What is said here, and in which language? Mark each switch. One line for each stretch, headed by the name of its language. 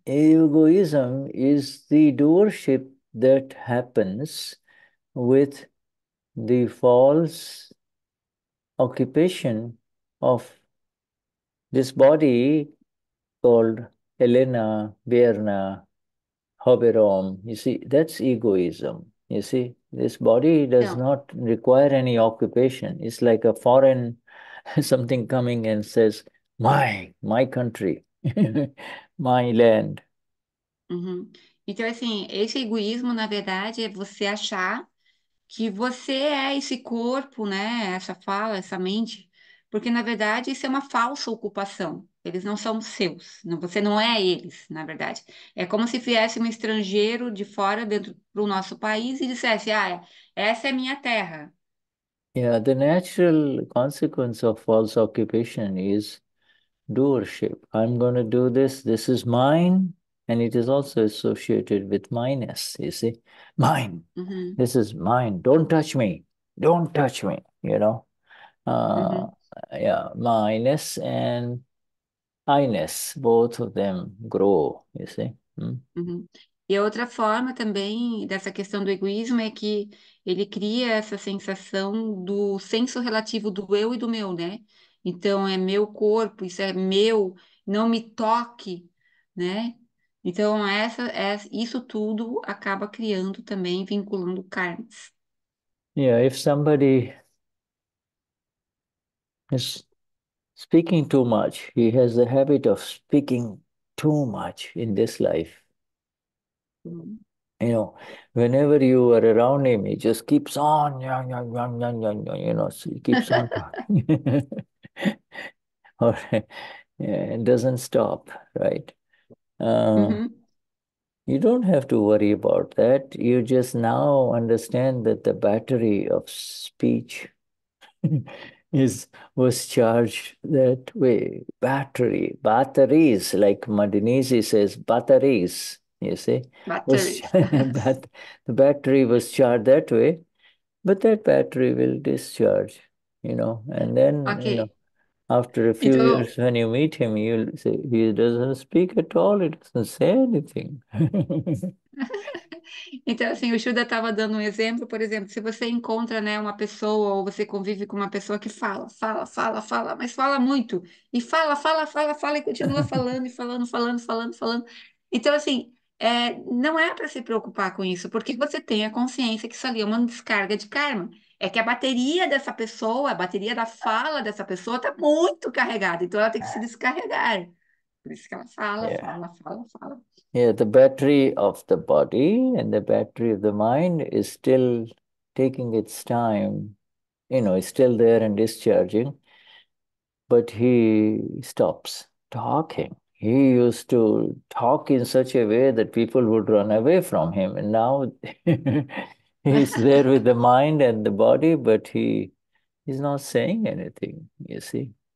English: Egoism is the doership that happens with the false occupation of this body called Elena, Verna, Hoberom. You see, that's egoism. You see, this body does
Portuguese: Então.
English: not require any occupation. It's like a foreign something coming and says, my country, my land.
Portuguese: Então, assim, esse egoísmo, na verdade, é você achar que você é esse corpo, né? Essa fala, essa mente. Porque, na verdade, isso é uma falsa ocupação. Eles não são seus. Você não é eles, na verdade. É como se viesse um estrangeiro de fora dentro do nosso país e dissesse: ah, essa é minha terra.
English: Yeah, the natural consequence of false occupation is doership. I'm going to do this. This is mine, and it is also associated with mine-ness, you see. Mine. This is mine. Don't touch me. Don't touch me, you know. Yeah, mine-ness and I-ness, both of them grow, you see.
Portuguese: E outra forma também dessa questão do egoísmo é que ele cria essa sensação do senso relativo do eu e do meu, né? Então é meu corpo, isso é meu, não me toque, né? Então, isso tudo acaba criando também, vinculando karmas.
English: Yeah, if somebody is speaking too much, he has the habit of speaking too much in this life. You know, whenever you are around him, he just keeps on, you know, so he keeps on talking. Or, yeah, it doesn't stop, right? You don't have to worry about that. You just now understand that the battery of speech was charged that way. Battery, batteries, like Madanese says, batteries, you see, Batteries. the battery was charged that way, but that battery will discharge, you know. And then, you know, Okay. after a few
Portuguese: Então.
English: years, when you meet him, you'll say he doesn't speak at all, he doesn't say anything.
Portuguese: Então, assim, o Shuda estava dando um exemplo, por exemplo, se você encontra, né, uma pessoa ou você convive com uma pessoa que fala, fala, fala, fala, mas fala muito, e fala, fala, fala, fala, e continua falando, e falando, falando, falando, falando. Então, assim, não é para se preocupar com isso, porque você tem a consciência que isso ali é uma descarga de karma. É que a bateria dessa pessoa, a bateria da fala dessa pessoa está muito carregada, então ela tem que se descarregar. Por isso que ela fala, fala, fala, fala.
English: Yeah, the battery of the body and the battery of the mind is still taking its time, you know, it's still there and discharging, but he stops talking. He used to talk in such a way that people would run away from him, and now he's there with the mind and the body, but he's not saying anything, you see.